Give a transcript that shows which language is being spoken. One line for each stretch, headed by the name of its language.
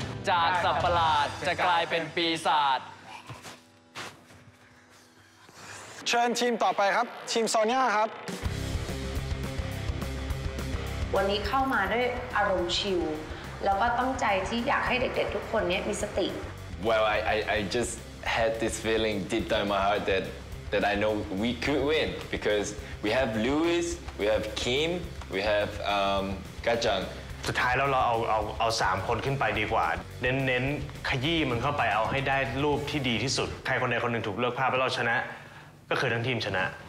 Thai: จากสัตว์ประหลาดจะกลายเป็นปีศาจ เชิญทีมต่อไปครับทีมโซเนียครับ วันนี้เข้ามาด้วยอารมณ์ชิลแล้วก็ตั้งใจที่อยากให้เด็กๆทุกคนเนี้ยมีสติ
English: Well I just had this feeling deep down in my heart that I know we could win because we have Louis we have Kim we have
Thai: สุดท้ายแล้วเราเอา3คนขึ้นไปดีกว่าเน้นขยี้มันเข้าไปเอาให้ได้รูปที่ดีที่สุดใครคนใดคนหนึ่งถูกเลือกภาพแล้วเราชนะก็คือทั้งทีมชนะ